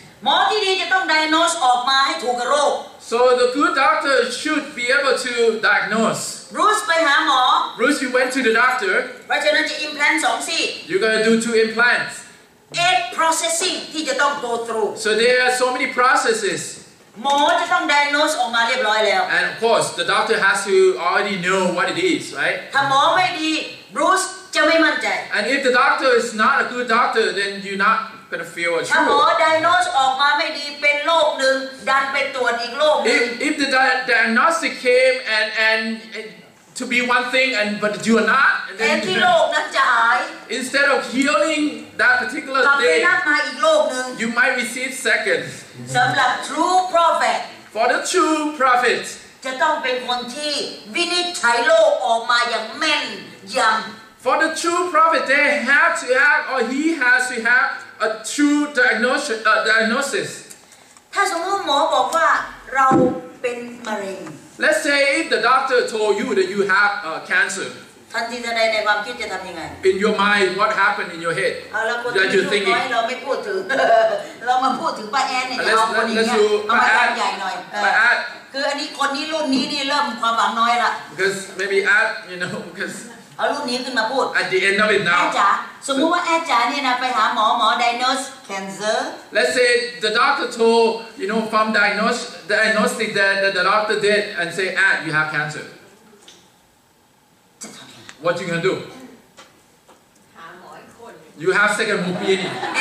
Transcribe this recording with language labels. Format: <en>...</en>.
<th>หมอที่ดีจะต้อง diagnose ออกมาให้ถูกโรค</th> <en>So the good doctor should be able to diagnose</en> <th>Bruce ไปหาหมอ</th> <en>Bruce you went to the doctor</en> <th>เราจะนั่นจะ implant 2ซี่</th> <en>You're going to do 2 implants 8 processing</en> <th>ที่จะต้อง</th> <en>go through So there are so many processes</en> <th>หมอจะต้อง diagnose ออกมาเรียบร้อยแล้ว</th> <en>And of course the doctor has to already know what it is right</en> <th>ถ้าหมอไม่ดี Bruce จะไม่มั่นใจ</th> <en>And if the doctor is not a good doctor then you're not gonna feel sure</en> <th>ถ้าหมอ diagnose ออกมาไม่ดีเป็นโรคนึงดันไปตรวจอีกโรคนึง</th> <en>If the diagnostic came and to be one thing and but you are not</en> <th>แทนที่โรคนั้นจะหาย</th> <en>Instead of healing that particular thing</en> <th>กลับไปรักษาอีกโรคนึง</th> <en>You might receive second</en> <th>สำหรับ</th> <en>true prophet for the true prophet</en> <th>จะต้องเป็นคนที่วินิจฉัยโรคออกมาอย่างแม่นยำ</th> <en>for the true prophet they have to have or he has to have a true diagnosis</en> <th>ถ้าสมมติหมอบอกว่าเราเป็นมะเร็ง</th> <en>let's say if the doctor told you that you have cancer</en> <th>ทันทีใดในความคิดจะทำยังไง</th> <en>In your mind what happened in your head that you're thinking</en> <th>เราไม่พูดถึงเรามาพูดถึงป้าแอนเนี่ยเอาคนนี้เอามาแอนใหญ่หน่อยคืออันนี้คนนี้รุ่นนี้นี่เริ่มความหวังน้อยละ</th> <en>Because maybe Ad you know because</en> <th>เอารุ่นนี้ขึ้นมาพูด</th> <en>At the end of it now</en> <th>แอนจ๋าสมมติว่าแอนจ๋าเนี่ยนะไปหาหมอหมอ</th> <en>diagnose cancer Let's say the doctor told you know from diagnostic that the doctor did and say Ad you have cancerWhat you gonna do? You have second opinion.</en>